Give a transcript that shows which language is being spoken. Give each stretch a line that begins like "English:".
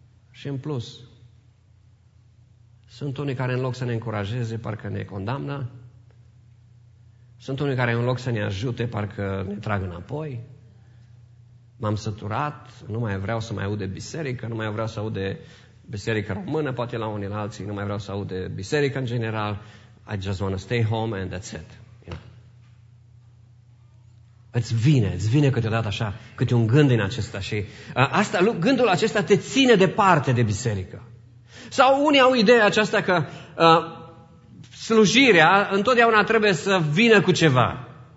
Romanian: Și în plus, sunt unii care în loc să ne încurajeze, parcă ne condamnă. Sunt unii care în loc să ne ajute, parcă ne trag înapoi. M-am săturat, nu mai vreau să mai aud de biserică, nu mai vreau să aud de biserică română, poate la unii la alții, nu mai vreau să aud de biserică în general.
English: I just want to stay home and that's it.
Romanian: Îți vine câteodată așa, câte un gând din acesta și asta, gândul acesta te ține departe de biserică. Sau unii au ideea aceasta că slujirea întotdeauna trebuie să vină cu ceva.